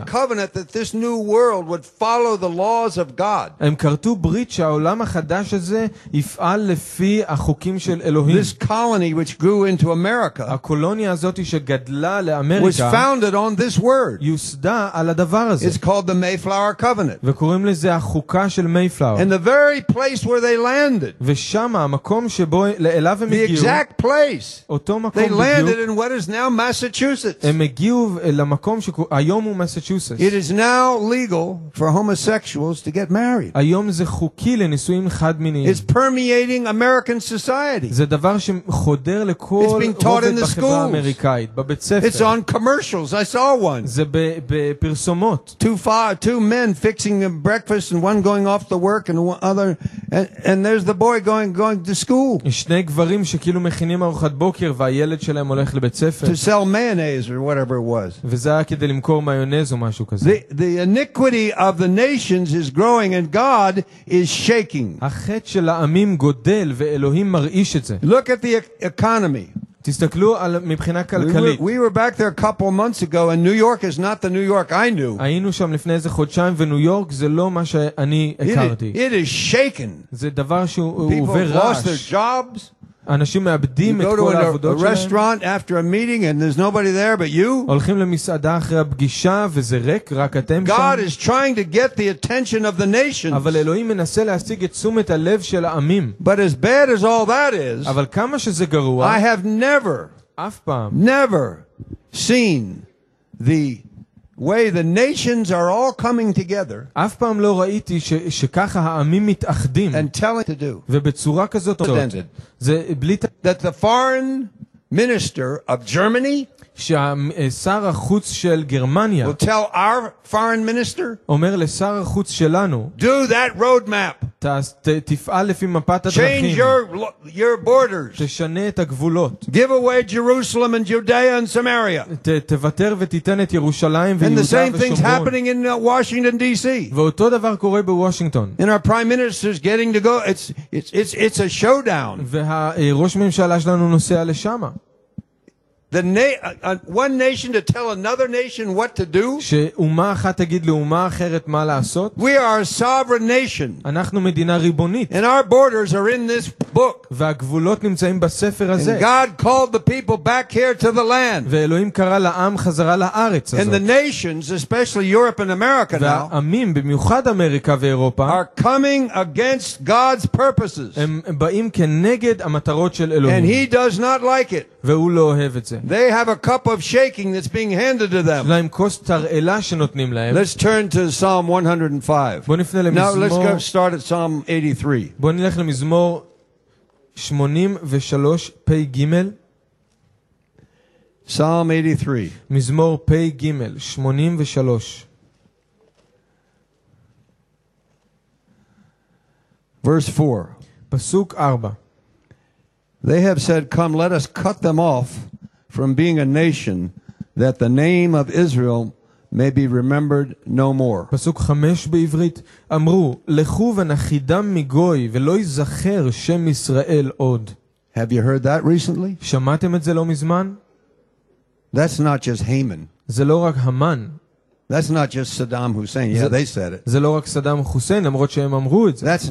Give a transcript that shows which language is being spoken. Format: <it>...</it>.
<en>They made a covenant that this new world would follow the laws of God.</en> <he>הם כרתו ברית שהעולם החדש הזה יפעל לפי החוקים של אלוהים.</he> <en>This colony which grew into America.</en> <he>הקולוניה הזאת שגדלה לאמריקה.</he> <en>Was founded on this word.</en> <he>יוסדה על הדבר הזה.</he> <en>It's called the Mayflower Covenant.</en> <he>וקוראים לזה החוקה של מייפלאור.</he> <en>And the very place where they landed.</en> <he>ושם המקום שבו אליו הם הגיעו.</he> <en>The exact place.</en> <he>אותו מקום בדיוק.</he> <en>They landed in what is now Massachusetts.</en> <he>הם הגיעו למקום שהיום הוא מסצ'וסטס.</he> <en>It is now legal for homosexuals to get married.</en> <he>היום זה חוקי לנישואים חד מיניים.</he> <en>It's permeating American society.</en> <he>זה דבר שחודר לכל רובד בחברה האמריקאית, בבית ספר.</he> <en>It's on commercials. I saw one.</en> <he>זה בפרסומות.</he> <en>Two men fixing a breakfast and one going off to work and the other and there's the boy going to school.</en> <he>שני גברים שכאילו מכינים ארוחת בוקר והילד שלהם הולך לבית ספר.</he> <en>To sell mayonnaise or whatever it was.</en> <he>וזה היה כדי למכור מיונז או משהו כזה.</he> <en>The iniquity of the nations is growing. And God is shaking.</en> <he>החטא של העמים גודל ואלוהים מרעיש את זה.</he> <en>Look at the economy.</en> <he>תסתכלו על מבחינה כלכלית.</he> <en>We were back there a couple months ago and New York is not the New York I knew.</en> <he>היינו שם לפני איזה חודשיים וניו יורק זה לא מה שאני הכרתי.</he> <en>It is shaking.</en> <he>זה דבר שהוא עובר רעש.</he> <en>People lost their jobs.</en> <he>אנשים מאבדים את כל העבודות שלהם.</he> <en>You go to a restaurant after a meeting and there's nobody there but you.</en> <he>הולכים למסעדה אחרי הפגישה וזה ריק, רק אתם שם.</he> <en>God is trying to get the attention of the nations.</en> <he>אבל אלוהים מנסה להשיג את תשומת הלב של העמים.</he> <en>But as bad as all that is.</en> <he>אבל כמה שזה גרוע.</he> <en>I have never.</en> <he>אף פעם.</he> <en>Never seen the way the nations are all coming together.</en> <he>אף פעם לא ראיתי שככה העמים מתאחדים.</he> <en>And telling to do.</en> <he>ובצורה כזאת.</he> <en>That the foreign minister of Germany.</en> <he>שר החוץ של גרמניה.</he> <en>Will tell our foreign minister.</en> <he>אומר לשר החוץ שלנו.</he> <en>Do that road map.</en> <he>תפעל לפי מפת הדרכים.</he> <en>Change your borders.</en> <he>תשנה את הגבולות.</he> <en>Give away Jerusalem and Judea and Samaria.</en> <he>תוותר ותיתן את ירושלים ויהודה ושומרון.</he> <en>And the same thing's happening in Washington DC.</en> <he>ואותו דבר קורה בוושינגטון.</he> <en>And our prime minister's getting to go. It's a showdown.</en> <he>וראש ממשלה שלנו נוסע לשם.</he> <en>The one nation to tell another nation what to do.</en> <he>שאומה אחת תגיד לאומה אחרת מה לעשות.</he> <en>We are a sovereign nation.</en> <he>אנחנו מדינה ריבונית.</he> <en>And our borders are in this book.</en> <he>והגבולות נמצאים בספר הזה.</he> <en>And God called the people back here to the land.</en> <he>ואלוהים קרא לעם חזרה לארץ הזאת.</he> <en>And the nations, especially Europe and America now.</en> <he>והעמים, במיוחד אמריקה ואירופה.</he> <en>Are coming against God's purposes.</en> <he>הם באים כנגד המטרות של אלוהים.</he> <en>And he does not like it.</en> <he>והוא לא אוהב את זה.</he> <en>They have a cup of shaking that's being handed to them.</en> <he>להם כוס תרעלה שנותנים להם.</he> <en>Let's turn to Psalm 105.</en> <he>בוא נפנה למזמור.</he> <en>Now let's go start at Psalm 83.</en> <he>בוא נלך למזמור 83 פי ג'</he> <en>Psalm 83.</en> <he>מזמור פי ג' 83.</he> <en>Verse 4.</en> <he>פסוק 4.</he> <en>They have said, come, let us cut them off from being a nation, that the name of Israel may be remembered no more.</en> <he>פסוק 5 בעברית, אמרו, לכו ונחידם מגוי ולא יזכר שם ישראל עוד.</he> <en>Have you heard that recently?</en> <he>שמעתם את זה לא מזמן?</he> <en>That's not just Haman.</en> <he>זה לא רק המן.</he> <en>That's not just Saddam Hussein. Yeah, they said it.</en> <he>זה לא רק סדאם חוסיין, למרות שהם אמרו את זה.</he>